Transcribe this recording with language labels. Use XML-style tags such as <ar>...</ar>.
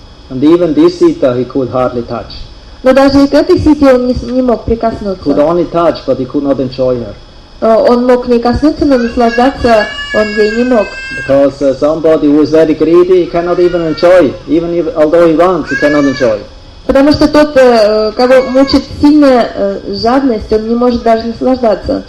<en>And even this Sita he could hardly touch.</en> <ru>Но даже и к этой Сите он не мог прикоснуться.</ru> <en>Could only touch, but he could not enjoy her.</en> <ru>Он мог к ней коснуться, но наслаждаться он ей не мог.</ru> <en>Because somebody who is very greedy he cannot even enjoy, even if, although he wants, he cannot enjoy.</en> <ru>Потому что тот, кого мучит сильная жадность, он не может даже наслаждаться.</ru>